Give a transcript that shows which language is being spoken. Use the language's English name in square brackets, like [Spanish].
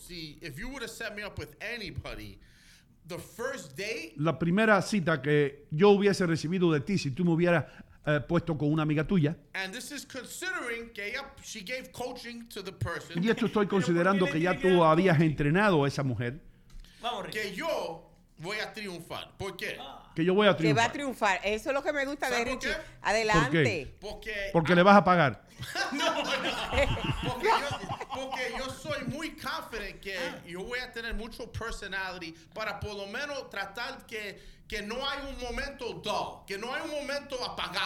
[English] Si if you would have set me up with anybody, the first date, [Spanish] la primera cita que yo hubiese recibido de ti si tú me hubieras puesto con una amiga tuya. [English] And this is considering [Spanish] que ella, [English] she gave coaching to the person. [Spanish] Y esto estoy considerando que ya tú habías entrenado a esa mujer. Vamos, que yo voy a triunfar. ¿Por qué? Que yo voy a triunfar. Que va a triunfar. Eso es lo que me gusta de Richie. Adelante. ¿Por qué? Porque le vas a pagar. No, no. Porque yo soy muy confident que yo voy a tener mucho personality para por lo menos tratar que no hay un momento dull, que no hay un momento apagado.